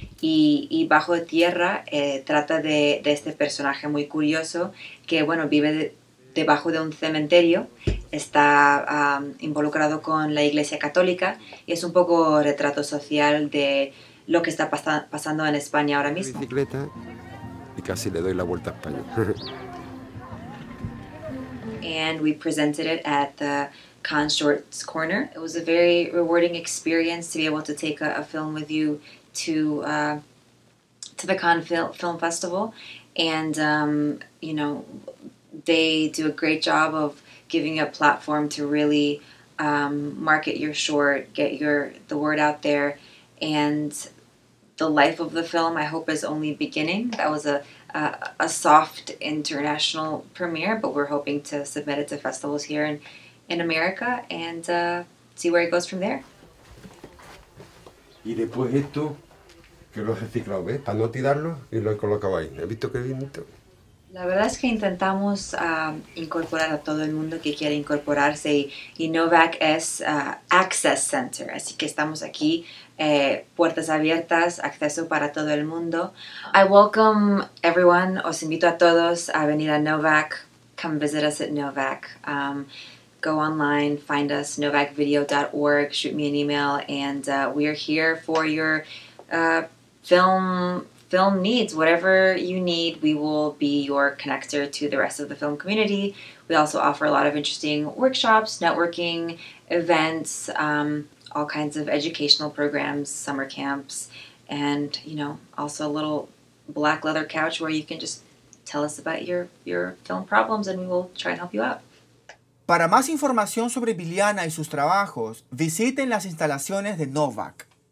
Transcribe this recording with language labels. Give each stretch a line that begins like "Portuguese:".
Spanish: Y Bajo Tierra trata de este personaje muy curioso que, bueno, vive... debajo de un cementerio, está involucrado con la Iglesia Católica y es un poco retrato social de lo que está pasando en España ahora mismo. Bicicleta y casi le doy la vuelta a España.
English: And we presented it at the Cannes Shorts Corner. It was a very rewarding experience to be able to take a film with you to the Cannes Film Festival and, you know, they do a great job of giving you a platform to really market your short, get the word out there. And the life of the film, I hope, is only beginning. That was a soft international premiere, but we're hoping to submit it to festivals here in America and see where it goes from there.
Spanish: Y después esto, que lo he reciclado, ¿ves? Para no tirarlo, y lo he colocado ahí. ¿He visto qué bonito? La verdad es que intentamos incorporar a todo el mundo que quiere incorporarse y NOVAC es Access Center, así que estamos aquí, puertas abiertas, acceso para todo el mundo.
English: I welcome everyone,
Spanish: os invito a todos a venir a NOVAC,
English: come visit us at NOVAC, go online, find us, novacvideo.org, shoot me an email, and we are here for your film needs. Whatever you need, we will be your connector to the rest of the film community. We also offer a lot of interesting workshops, networking, events, all kinds of educational programs, summer camps, and, you know, also a little black leather couch where you can just tell us about your film problems and we will try and help you out. Para más información sobre Biliana y sus trabajos, visiten las instalaciones de Novak.